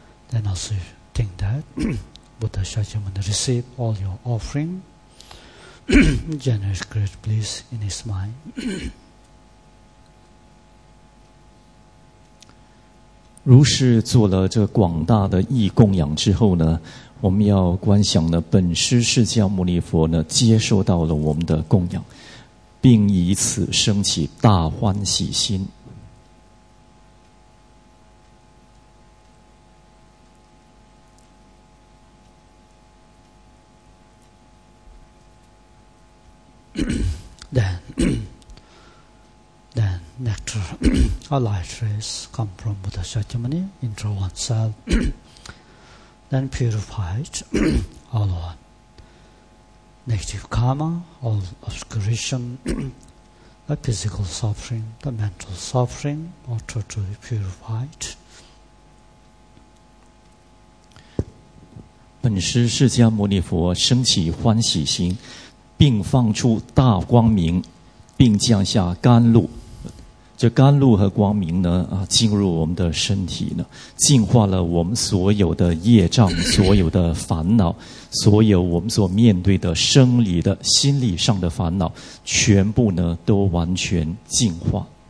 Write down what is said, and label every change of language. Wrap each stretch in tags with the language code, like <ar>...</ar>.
<en>Then also you think that Buddha Shakyamuni receive all your offering, generate great bliss in his mind.</en> <zh>如是做了这广大的义供养之后呢，我们要观想呢，本师释迦牟尼佛呢，接受到了我们的供养。并以此升起大欢喜心。</zh> <en>Then nectar alighters come from Buddha Shakyamuni into oneself, then purified all our negative karma, all obscuration, the physical suffering, the mental suffering, are totally purified.</en> <zh>本师释迦牟尼佛升起欢喜心，并放出大光明，并降下甘露。这甘露和光明呢，进入我们的身体呢，净化了我们所有的业障、所有的烦恼、所有我们所面对的生理的、心理上的烦恼，全部呢都完全净化。</zh>